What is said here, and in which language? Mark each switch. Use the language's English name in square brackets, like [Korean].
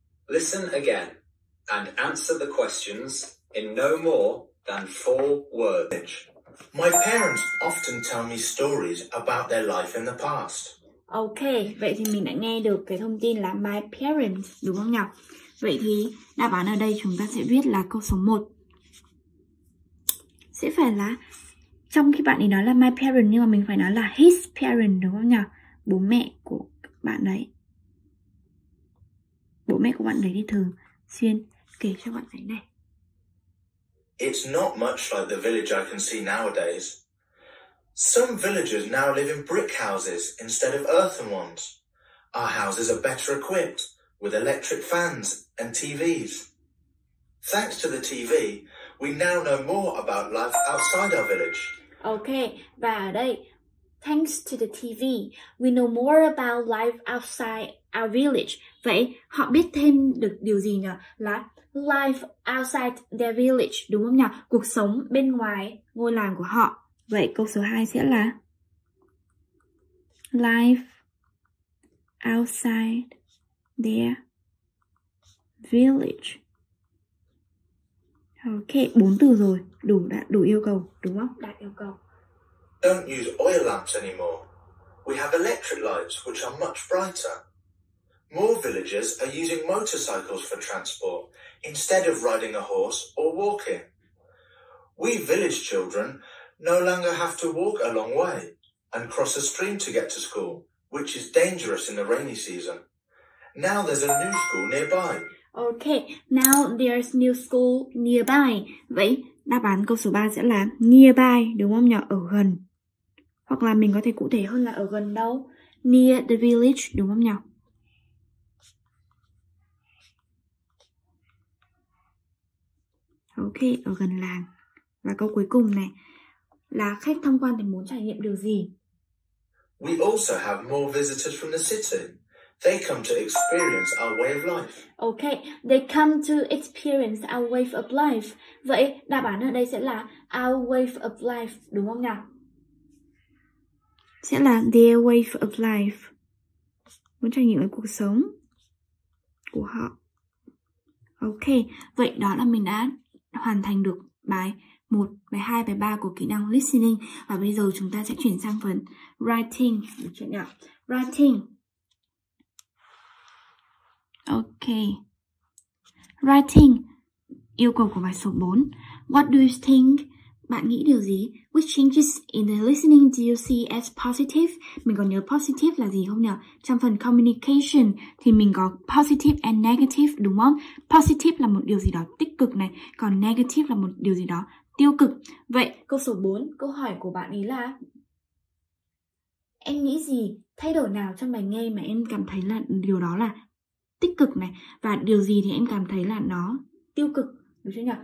[English] Listen again and answer the questions in no more than 4 words. My parents often tell me stories about their life in the past. [Vietnamese] Ok, vậy thì mình đã nghe được cái thông tin là [English] my parents, [Vietnamese] đúng không nhỉ? Vậy thì đáp án ở đây chúng ta sẽ viết là câu số 1. Sẽ phải là, trong khi bạn ấy nói là [English] my parent, [Vietnamese] nhưng mà mình phải nói là [English] his parent, [Vietnamese] đúng không nhỉ? Bố mẹ của bạn đấy. Bố mẹ của bạn đấy thì thường xuyên kể cho bạn ấy này. [English] It's not much like the village I can see nowadays. Some villagers now live in brick houses instead of earthen ones. Our houses are better equipped with electric fans and TVs. Thanks to the TV, we now know more about life outside our village. Okay, [Vietnamese] và ở đây, [English] thanks to the TV, we know more about life outside our village. [Vietnamese] Vậy họ biết thêm được điều gì nhỉ? Là [English] life outside their village, [Vietnamese] đúng không nhỉ? Cuộc sống bên ngoài ngôi làng của họ. Vậy câu số 2 sẽ là [English] life outside their village. [Vietnamese] Ok, 4 từ rồi, đủ yêu cầu, đúng không? Đạt yêu cầu. [English] Don't use oil lamps anymore. We have electric lights which are much brighter. More villagers are using motorcycles for transport instead of riding a horse or walking. We village children no longer have to walk a long way and cross a stream to get to school, which is dangerous in the rainy season. Now there's a new school nearby. Ok, now there's new school nearby. [Vietnamese] Vậy đáp án câu số 3 sẽ là nearby, đúng không nhỉ? Ở gần. Hoặc là mình có thể cụ thể hơn là ở gần đâu? [English] Near the village, [Vietnamese] đúng không nhỉ? Ok, ở gần làng. Và câu cuối cùng này là khách tham quan thì muốn trải nghiệm điều gì? [English] We also have more visitors from the city. They come to experience our way of life. Okay, they come to experience our way of life. [Vietnamese] Vậy đáp án ở đây sẽ là [English] our way of life, [Vietnamese] đúng không nhỉ? Sẽ là [English] their way of life. [Vietnamese] Muốn trải nghiệm về cuộc sống của họ. Okay, vậy đó là mình đã hoàn thành được bài 1, bài 2, bài 3 của kỹ năng listening. Và bây giờ chúng ta sẽ chuyển sang phần writing, được chưa nhỉ? Writing. [English] Ok. Writing. [Vietnamese] Yêu cầu của bài số 4. [English] What do you think [Vietnamese] Bạn nghĩ điều gì? [English] Which changes in the listening do you see as positive? [Vietnamese] Mình còn nhớ positive là gì không nhỉ? Trong phần communication thì mình có positive and negative, đúng không? Positive là một điều gì đó tích cực này, còn negative là một điều gì đó tiêu cực. Vậy câu số 4, câu hỏi của bạn ấy là: em nghĩ gì, thay đổi nào trong bài nghe mà em cảm thấy là điều đó là tích cực này, và điều gì thì em cảm thấy là nó tiêu cực? Đúng chưa nhỉ?